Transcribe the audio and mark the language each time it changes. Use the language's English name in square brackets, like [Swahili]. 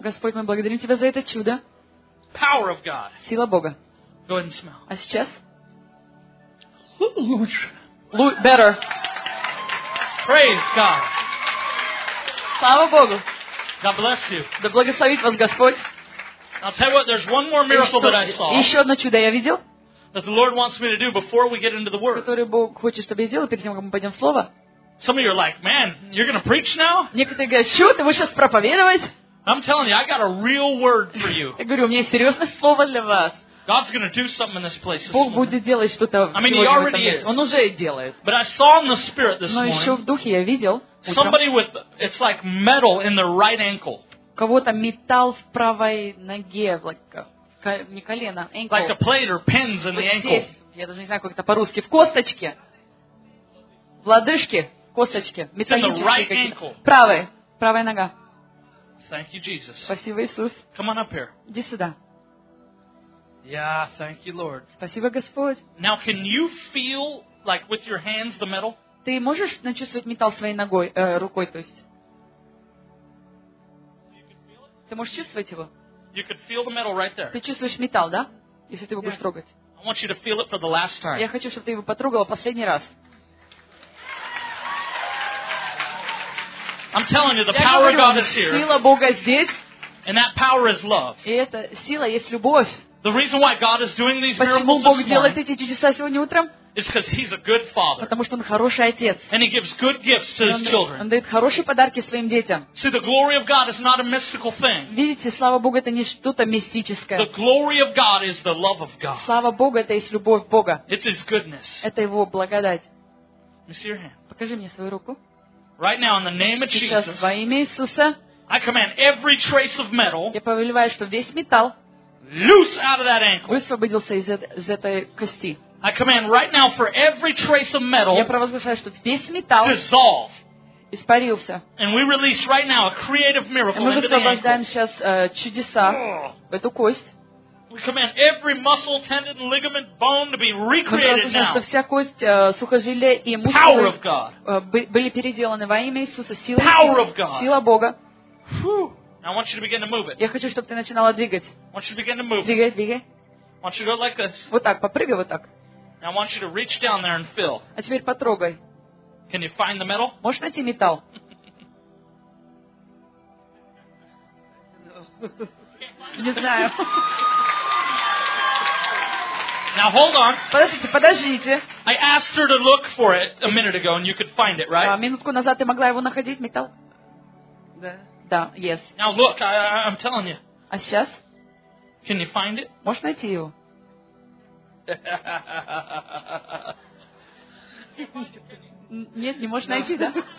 [Russian] Господь, мы благодарим тебя за это чудо. [English] Power of God. [Russian] Сила Бога. [English] Go ahead and smell. [Russian] А сейчас? Лучше. [English] Better. Praise God. [Russian] Слава Богу. [English] God bless you. [Russian] Да благословит вас Господь. [English] I'll tell you what, there's one more miracle that I saw. [Russian] Еще одно чудо я видел. [English] That the Lord wants me to do before we get into the word. [Russian] Который Бог хочет, чтобы я сделал перед тем, как мы пойдем в слово. [English] Some of you are like, man, you're going to preach now? [Russian] Некоторые говорят, что ты будешь сейчас проповедовать? [English] I'm telling you, I got a real word for you. [Russian] Я говорю, у меня есть серьезное слово для вас. [English] God's going to do something in this place. [Russian] Бог будет делать что-то. [English] I mean, he already is. [Russian] Он уже делает. [English] But I saw in the spirit this morning. [Russian] Но еще в духе я видел. [English] Somebody with, it's like metal in their right ankle. [Russian] Кого-то металл в правой ноге, like, не колено, ankle. [English] Like a plate or pins in the ankle. [Russian] Я даже не знаю, как это по-русски. В косточке. В лодыжке. В косточке. Металлические right какие-то. Правая. Правая нога. [English] Thank you, Jesus. [Russian] Спасибо, Иисус. [English] Come on up here. [Russian] Иди сюда. [English] Yeah, thank you, Lord. [Russian] Спасибо, Господь. [English] Now, can you feel, like, with your hands, the metal? [Russian] Ты можешь начувствовать металл своей ногой, рукой, то есть? Ты можешь чувствовать его? [English] You could feel the metal right there. [Russian] Ты чувствуешь металл, да? Если ты его будешь трогать. [English] I want you to feel it for the last time. [Russian] Я хочу, чтобы ты его потрогала последний раз. [English] I'm telling you, the power of God is here. [Russian] Сила Бога здесь. [English] And that power is love. [Russian] И эта сила есть любовь. [English] The reason why God is doing these miracles [Russian] Почему Бог делает эти чудеса сегодня утром? [English] It's because he's a good father. [Russian] Потому что он хороший отец. [English] And he gives good gifts to his children. [Russian] Он дает хорошие подарки своим детям. [English] See, the glory of God is not a mystical thing. [Russian] Видите, слава Богу это не что-то мистическое. [English] The glory of God is the love of God. [Russian] Слава Богу это есть любовь Бога. [English] It's his goodness. [Russian] Это его благодать. [English] See your hand. [Russian] Покажи мне свою руку. [English] Right now, in the name of Jesus. [Russian] Сейчас во имя Иисуса. [English] I command every trace of metal. [Russian] Я повелеваю, что весь металл. [English] Loose out of that ankle. [Russian] Высвободился из этой кости. [English] I command right now for every trace of metal. [Russian] Я провозглашаю, что весь металл [English] dissolve. [Russian] Испарился. [English] And we release right now a creative miracle into the ankle. [Russian] Мы высвобождаем сейчас чудеса в эту кость. [English] We command every muscle, tendon, ligament, bone to be recreated now. [Russian] Что вся кость, сухожилие и мышцы [English] Power of God. [Russian] Были переделаны во имя Иисуса. [English] Power of God. [Russian] Сила Бога. [English] Now I want you to begin to move it. [Russian] Я хочу, чтобы ты начинала двигать. [English] I want you to begin to move. [Russian] Двигай, двигай. [English] I want you to go like this. [Russian] Вот так, попрыгай вот так. [English] Now I want you to reach down there and feel. [Russian] А теперь потрогай. [English] Can you find the metal? [Russian] Можешь найти металл? Не знаю. [English] Now hold on. [Russian] Подождите, подождите. [English] I asked her to look for it a minute ago, and you could find it, right? [Russian] Да, минутку назад ты могла его находить металл? Да. Да, yes. [English] Now look, I'm telling you. [Russian] А сейчас? [English] Can you find it? [Russian] Можешь найти его? Нет, не можешь найти, да?